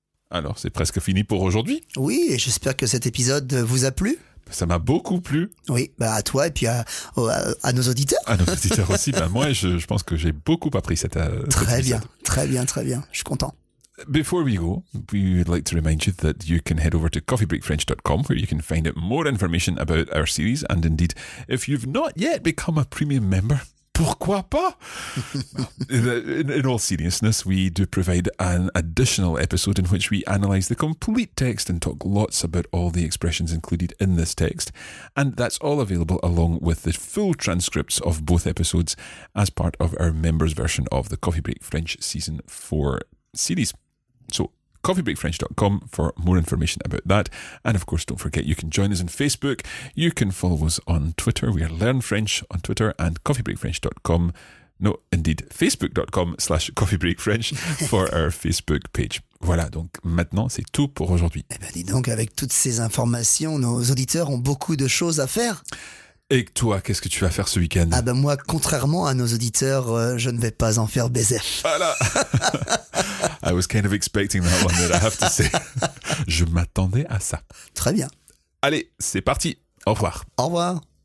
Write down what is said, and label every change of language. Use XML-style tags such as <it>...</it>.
<fr>Alors, c'est presque fini pour aujourd'hui. Oui, et j'espère que cet épisode vous a plu. Ça m'a beaucoup plu. Oui, bah à toi et puis à nos auditeurs. À nos auditeurs aussi. Bah moi, je pense que j'ai beaucoup appris cet épisode. Très bien. Très bien, très bien. Je suis content.</fr> <en>Before we go, we would like to remind you that you can head over to coffeebreakfrench.com where you can find out more information about our series. And indeed, if you've not yet become a premium member,</en> <fr>pourquoi pas?</fr> <en>in all seriousness, we do provide an additional episode in which we analyse the complete text and talk lots about all the expressions included in this text. And that's all available along with the full transcripts of both episodes as part of our members' version of the Coffee Break French Season 4 series. So coffeebreakfrench.com for more information about that. And of course, don't forget, you can join us on Facebook. You can follow us on Twitter. We are Learn French on Twitter and coffeebreakfrench.com. No, indeed, facebook.com/coffeebreakfrench for our Facebook page.</en> <fr>Voilà, donc maintenant, c'est tout pour aujourd'hui. Eh bien, dis donc, avec toutes ces informations, nos auditeurs ont beaucoup de choses à faire. Et toi, qu'est-ce que tu vas faire ce week-end? Ah ben moi, contrairement à nos auditeurs, je ne vais pas en faire baiser. Voilà.</fr> <en>I was kind of expecting that one, but I have to say.</en> <fr>Je m'attendais à ça. Très bien. Allez, c'est parti. Au revoir. Au revoir.</fr>